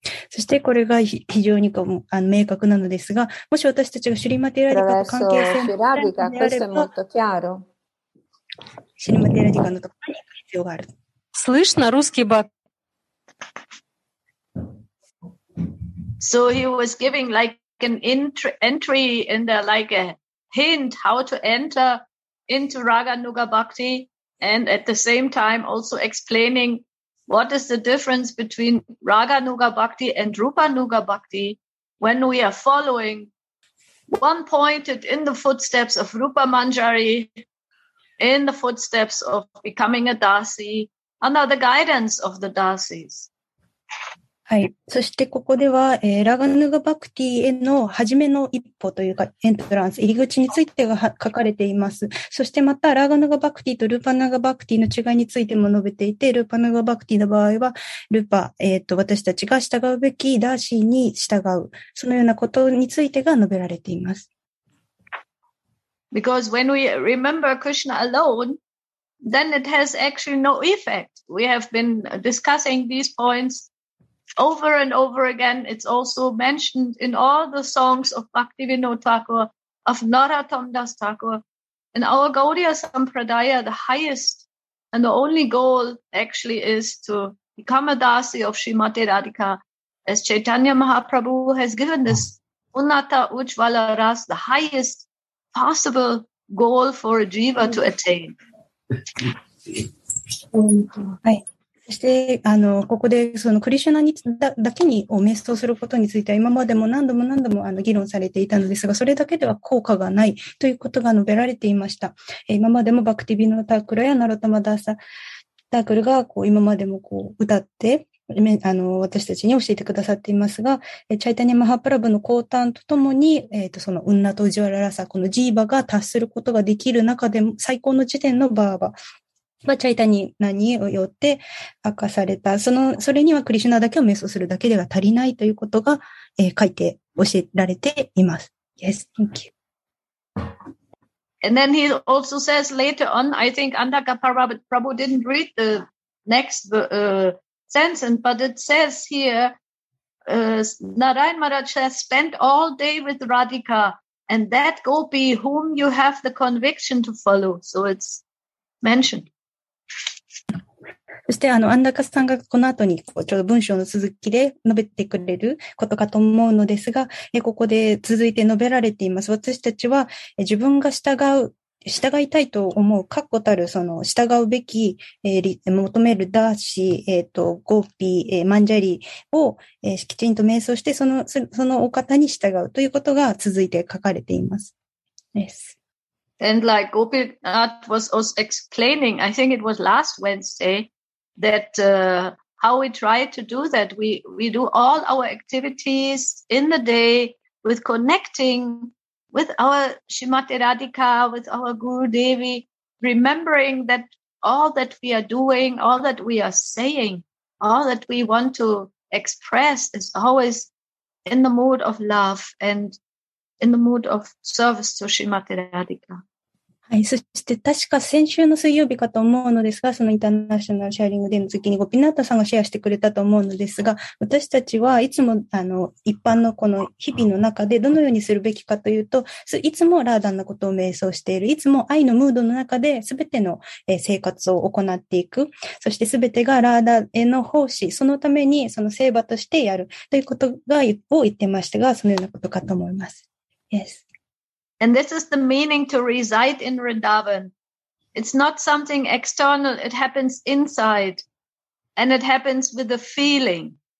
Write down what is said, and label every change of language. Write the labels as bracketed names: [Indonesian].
[Japanese] そしてこれが非常に明確なのですが、もし私たちがシュリマテラディカと関係性があるのであれば、シュリマテラディカのところに必要がある。 [Russian] Слышно, русский бат. [English] So he was giving like an entry and like a hint how to enter into Raga Nuga Bhakti. And at the same time, also explaining what is the difference between Raga Nuga Bhakti and Rupa Nuga Bhakti when we are following one pointed in the footsteps of Rupa Manjari, in the footsteps of becoming a Dasi, under the guidance of the Dasis. [Japanese] はい、そしてここでは、ラガヌガバクティへの初めの一歩というかエントランス入り口についてが書かれています。そしてまたラガヌガバクティとルパナガバクティの違いについても述べていて、ルパナガバクティの場合はルパ、私たちが従うべきダーシーに従う、そのようなことについてが述べられています。 [English] Because when we remember Krishna alone, then it has actually no effect. We have been discussing these pointsOver and over again, it's also mentioned in all the songs of Bhaktivinoda Thakur, of Narottam Das Thakur. In our Gaudiya Sampradaya, the highest and the only goal actually is to become a Dasi of Srimati Radhika. As Chaitanya Mahaprabhu has given this Unnata Ujvala Ras, the highest possible goal for a Jiva to attain. Hi. [Japanese] そしてここでそのクリシュナに だけにを瞑想することについては今までも何度も何度も議論されていたのですが、それだけでは効果がないということが述べられていました。今までもバクティビノタクラやナロタマダーサタクルがこう今までもこう歌って私たちに教えてくださっていますが、チャイタニアマハプラブの降誕とともに、そのウンナとウジワララサ、このジーバが達することができる中でも最高の時点のバーバまあ、チャイタニーナによって明かされた、それにはクリシュナだけを瞑想するだけでは足りないということが、書いて教えられています。 [English] Yes, thank you. And then he also says later on, I think Andaka Prabhu didn't read the next sentence, but it says here, Narayan Maharaj has spent all day with Radhika and that gopi whom you have the conviction to follow. So it's mentioned. [Japanese] そしてアンダカスさんがこの後にこうちょうど文章の続きで述べてくれることかと思うのですが、ここで続いて述べられています。私たちは自分が従いたいと思う確固たるその従うべき、求めるダーシー、ゴーピー、マンジャリーを、きちんと瞑想してそのお方に従うということが続いて書かれています。 [English] Yes. And like Gopinath was also explaining, I think it was last Wednesday,that how we try to do that, we do all our activities in the day with connecting with our Srimati Radhika, with our Guru Devi, remembering that all that we are doing, all that we are saying, all that we want to express is always in the mood of love and in the mood of service to Srimati Radhika. [Japanese] はい、そして確か先週の水曜日かと思うのですが、そのインターナショナルシェアリングデーの時にゴピナータさんがシェアしてくれたと思うのですが、私たちはいつも一般のこの日々の中でどのようにするべきかというと、いつもラーダンなことを瞑想している、いつも愛のムードの中で全ての生活を行っていく、そして全てがラーダンへの奉仕、そのためにその聖場としてやるということが言ってましたが、そのようなことかと思います。 [English] Yes. And this is the meaning to reside in Vrindavan. It's not something external. It happens inside. And it happens with a feeling.